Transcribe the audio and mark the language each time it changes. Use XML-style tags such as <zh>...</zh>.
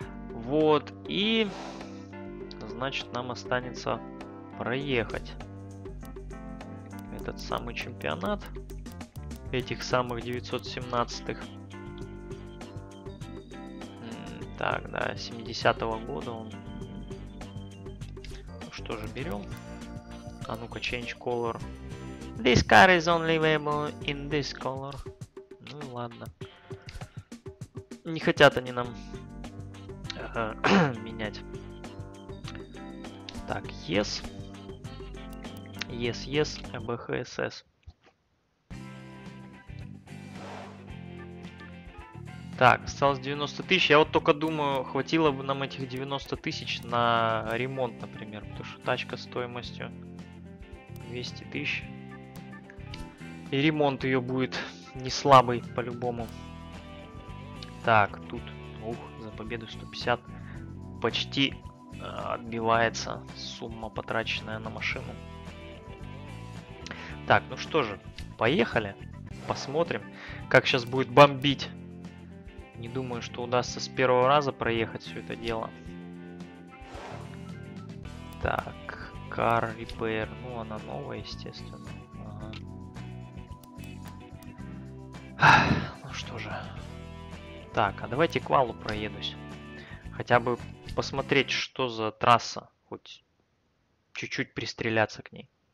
<ru>Вот, и значит, нам останется проехать этот самый чемпионат этих самых 917-х. Так, да, 70-го года он. Ну что же, берем. А ну-ка,</ru> <en>change color. This car is only available in this color.</en> <ru>Ну ладно. Не хотят они нам менять.</ru> <en>Так, yes. Yes, EBHSS.</en> <ru>Так, осталось 90 тысяч. Я вот только думаю, хватило бы нам этих 90 тысяч на ремонт, например. Потому что тачка стоимостью 200 тысяч. И ремонт ее будет не слабый по-любому. Так, тут, ух, за победу 150 почти отбивается сумма, потраченная на машину. Так, ну что же, поехали. Посмотрим, как сейчас будет бомбить. Не думаю, что удастся с первого раза проехать все это дело. Так, Car Repair. Ну, она новая, естественно. Ну что же. Так, а давайте квалу проедусь. Хотя бы посмотреть, что за трасса. Хоть чуть-чуть пристреляться к ней.</ru>